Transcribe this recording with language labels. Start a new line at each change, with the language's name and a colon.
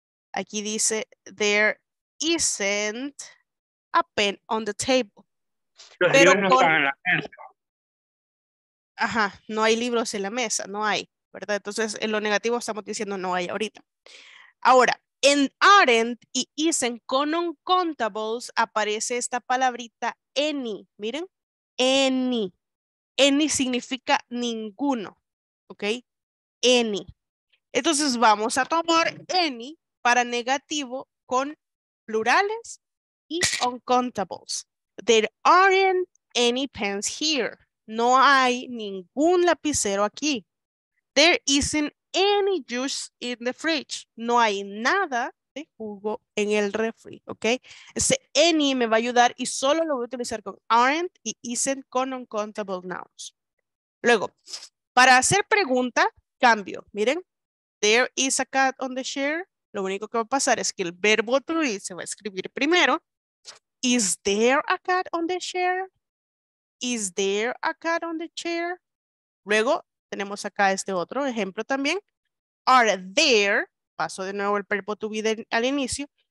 Spanish: Aquí dice
English: there isn't a pen on the table.
Spanish: Pero no están en la mesa. Ajá, no hay libros en la mesa, no hay, ¿verdad? Entonces, en lo negativo estamos diciendo no hay ahorita. Ahora, en aren't y isn't con uncountables aparece esta palabrita any. Miren, any. Any significa ninguno, ¿ok? Any. Entonces vamos a tomar any para negativo con plurales y uncountables.
English: There aren't any pens here.
Spanish: No hay ningún lapicero aquí.
English: There isn't any juice in the fridge.
Spanish: No hay nada de jugo en el refri, ¿ok? Ese any me va a ayudar y solo lo voy a utilizar con aren't y isn't con uncountable nouns. Luego, para hacer pregunta, cambio. Miren,
English: there is a cat on the chair.
Spanish: Lo único que va a pasar es que el verbo to be se va a escribir primero.
English: Is there a cat on the chair? Is there a cat on the chair?
Spanish: Luego, tenemos acá este otro ejemplo también.
English: Are there,
Spanish: paso de nuevo el verbo to be al inicio.